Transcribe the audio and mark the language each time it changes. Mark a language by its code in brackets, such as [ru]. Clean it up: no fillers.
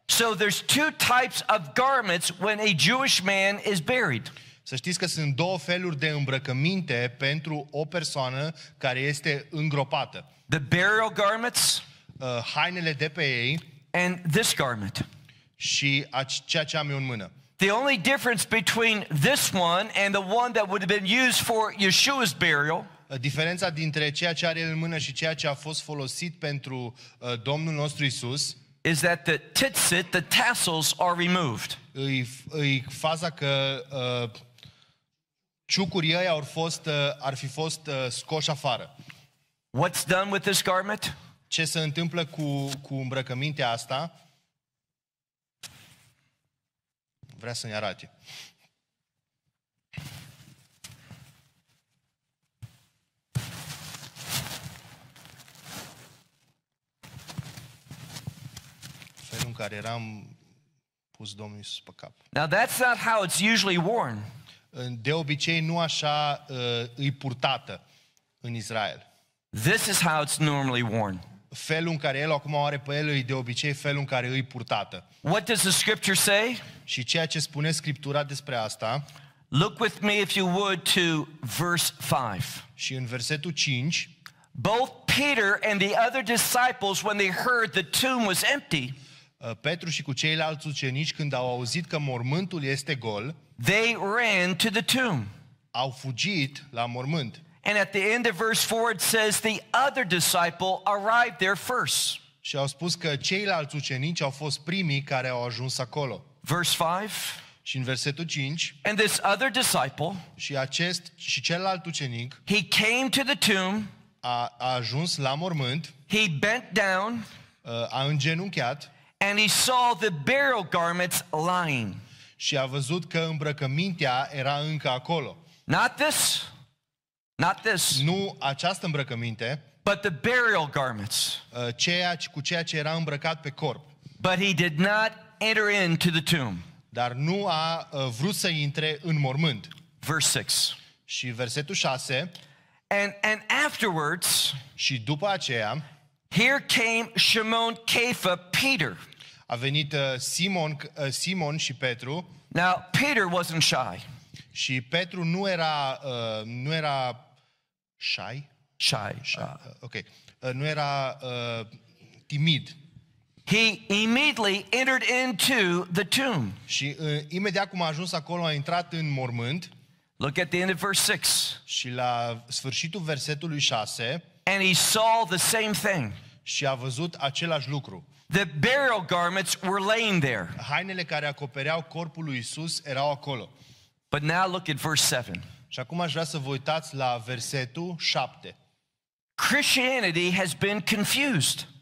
[en] So there's two types of garments when a Jewish man is buried. [ro] Să știți că sunt două feluri de îmbrăcăminte pentru o persoană care este îngropată. [en] The burial garments, [ro] hainele de pe ei, [en] and this garment. [ro] Și ceea ce am eu în mână. [en] The only difference between this one and the one that would have been used for Yeshua's burial. [ro] Diferența dintre ceea ce are el în mână și ceea ce a fost folosit pentru Domnul nostru Isus. [en] Is that the tzitzit, the tassels are removed. [ro] E faza că ciucurii ăia ar fi fost scoși afară. [en] What's done with this garment? [ro] Ce se întâmplă cu îmbrăcămintea asta? Vrea să ne arate. În care eram pus Domnul Iisus pe cap. [en] Now that's not how it's usually worn. [ro] De obicei nu așa e purtată în Israel. [en] This is how it's normally worn. [ro] Felul în care el acum are pe el e de obicei felul în care e purtată. [en] What does the scripture say? [ro] Și ceea ce spune Scriptura despre asta? [en] Look with me if you would to verse 5. [ro] Și în versetul 5, [en] both Peter and the other disciples when they heard the tomb was empty, [ro] Petru și cu ceilalți ucenici, când au auzit că mormântul este gol, [en] they ran to the tomb. [ro] Au fugit la mormânt. [en] And at the end of verse 4 it says the other disciple arrived there first. [ro] Și au spus că ceilalți ucenici au fost primii care au ajuns acolo. [en] Verse 5. [ro] Și în versetul 5. [en] And this other disciple, [ro] și celălalt ucenic, [en] he came to the tomb. [ro] A ajuns la mormânt. [en] He bent down. [ro] A îngenunchiat. [en] And he saw the burial garments lying. [ro] Și a văzut că îmbrăcămintea era încă acolo. [en] Not this. [ro] Nu această îmbrăcăminte. [en] But the burial garments. [ro] Cu ceea ce era îmbrăcat pe corp. [en] But he did not enter into the tomb. [ro] Dar nu a vrut să intre în mormânt. [en] Verse 6. [ro] Și versetul 6. [en] And afterwards. [ro] Și după aceea. [en] Here came Shimon, Kepha, Peter. [ro] A venit Simon și Petru. [en] Now Peter wasn't shy. [ro] Și Petru nu era shy. [en] Shy. Okay. [ro] Nu era timid. [en] He immediately entered into the tomb. [ro] Și imediat cum a ajuns acolo a intrat în mormânt. [en] Look at the end of verse 6. [ro] Și la sfârșitul versetului 6. [en] And he saw the same thing. [ro] Și a văzut același lucru. [en] The burial garments were laying there. [ro] Hainele care acopereau corpul lui Isus erau acolo. [en] But now look at verse 7. [ro] Și acum aș vrea să vă uitați la versetul 7. [en] Christianity has been confused.